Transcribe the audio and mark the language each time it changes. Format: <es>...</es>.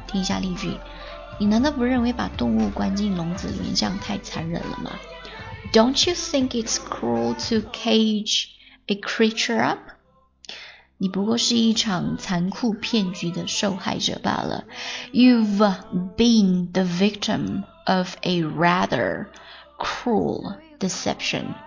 <zh>听一下例句，你难道不认为把动物关进笼子里面这样太残忍了吗？</zh> <en>Don't you think it's cruel to cage a creature up?</en> <zh>你不过是一场残酷骗局的受害者罢了。</zh> <en>You've been the victim of a rather cruel deception.</en>